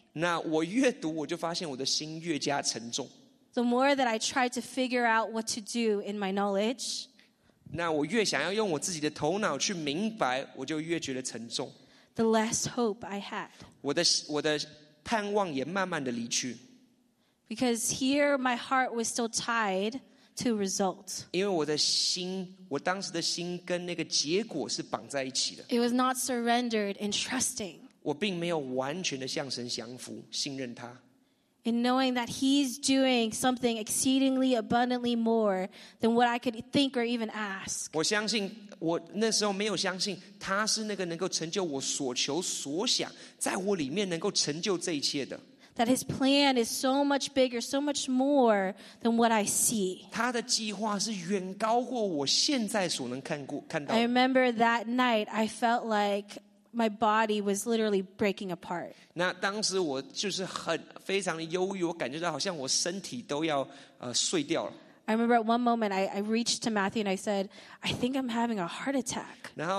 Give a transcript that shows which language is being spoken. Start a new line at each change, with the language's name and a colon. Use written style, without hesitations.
Chinese: 那我越读，我就发现我的心越加沉重。
English: The more that I tried to figure out what to do in my knowledge,
Chinese: 那我越想要用我自己的头脑去明白，我就越觉得沉重。
English: The less hope I had.
Chinese: 我的盼望也慢慢的离去。
English: Because here my heart was still tied to results.
Chinese: 因为我的心，我当时的心跟那个结果是绑在一起的。
English: It was not surrendered in trusting.
Chinese: 我并没有完全的向神降服，信任他。
English: In knowing that he's doing something exceedingly abundantly more than what I could think or even ask.
Chinese: 我相信我那时候没有相信他是那个能够成就我所求所想在我里面能够成就这一切的。
English: That his plan is so much bigger, so much more than what I see.
Chinese: 他的计划是远高过我现在所能看到。
English: I remember that night I felt like my body was literally breaking apart.
Chinese: 那当时我就是非常的忧郁，我感觉到好像我身体都要碎掉了。
English: I remember at one moment I reached to Matthew and I said, I think I'm having a heart attack.